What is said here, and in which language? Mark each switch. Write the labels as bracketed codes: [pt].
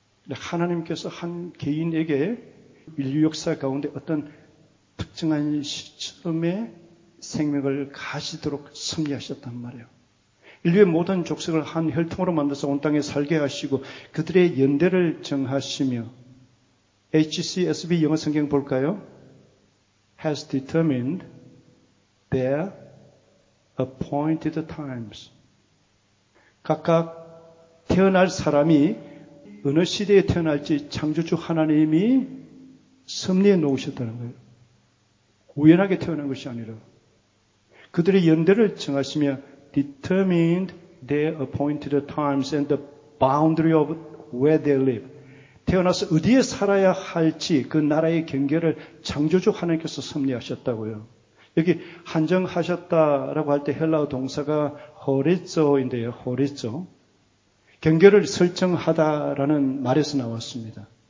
[ko] 하나님께서 한 개인에게 인류 역사 가운데 어떤 특정한 시점에 생명을 가시도록 섭리하셨단 말이에요. 인류의 모든 족속을 한 혈통으로 만들어서 온 땅에 살게 하시고 그들의 연대를 정하시며 HCSB 영어 성경 볼까요? [en] Has determined their appointed times. [ko] 각각 태어날 사람이 어느 시대에 태어날지 창조주 하나님이 섭리해 놓으셨다는 거예요. 우연하게 태어난 것이 아니라 그들의 연대를 정하시며 [en] determined their appointed times and the boundary of where they live. [ko] 태어나서 어디에 살아야 할지 그 나라의 경계를 창조주 하나님께서 섭리하셨다고요. 여기 한정하셨다라고 할 때 헬라어 동사가 호리조인데요. 호리조. 경계를 설정하다라는 말에서 나왔습니다.